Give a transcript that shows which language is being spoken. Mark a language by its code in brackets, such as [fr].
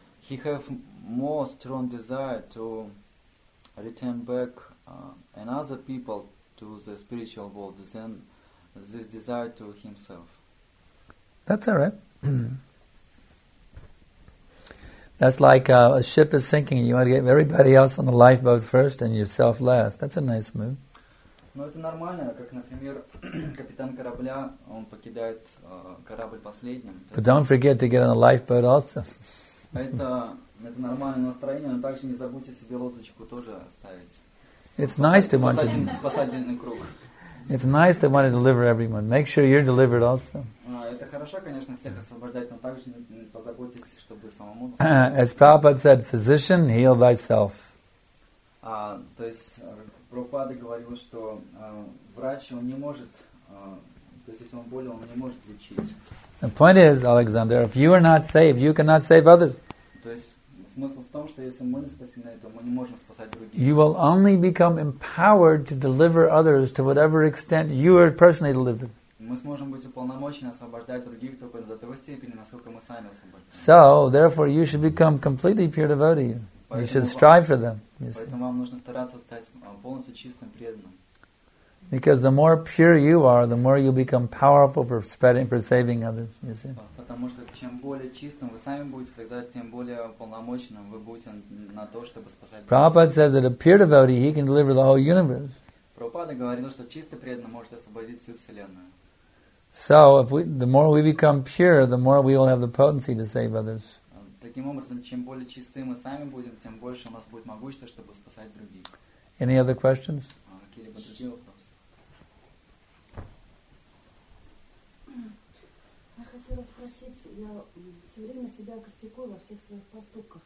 [en] He have more strong desire to return back another people to the spiritual world than this desire to himself. That's all right. That's like a ship is sinking. You want to get everybody else on the lifeboat first and yourself last. That's a nice move. [ru] Ну это нормально, как, например, капитан корабля, он покидает корабль последним. [en] But don't forget to get on the lifeboat also. [ru] Это нормальное настроение, но также не забудьте себе лодочку тоже оставить. [en] It's nice to want to [ru] спасательный круг. [en] It's nice to want to deliver everyone. Make sure you're delivered also. [ru] Это хорошо, конечно, всех освобождать, но также позаботьтесь. [en] As Prabhupada said, physician, heal thyself. [ru] То есть Прабхупада говорил, что врач он не может, то есть если он болен, он не может лечить. [en] The point is, Alexander, if you are not saved, you cannot save others. [ru] То есть смысл в том, что если мы не спасены, то мы не можем спасать других. [en] You will only become empowered to deliver others to whatever extent you are personally delivered. [ru] Мы сможем быть уполномочены освобождать других только до того степени, насколько мы сами освобождены. [en] So, therefore, you should become completely pure devotee. You should strive for them. [ru] Поэтому вам нужно стараться стать полностью чистым преданным. [en] Because the more pure you are, the more you become powerful for spreading, for saving others. You see. [ru] Потому что чем более чистым вы сами будете, тогда тем более уполномоченным вы будете на то, чтобы спасать других. [en] Prabhupada says that a pure devotee, he can deliver the whole universe. [ru] Прабхупада говорил, что чистый преданный может освободить всю вселенную. [en] So, if we, the more we become pure, the more we will have the potency to save others. [ru] Таким образом, чем более чистыми мы сами будем, тем больше у нас будет могущества, чтобы спасать других. [en] Any other questions? [ru] Какие-либо другие вопросы? Я хотела спросить, я все время себя критикую во всех своих поступках.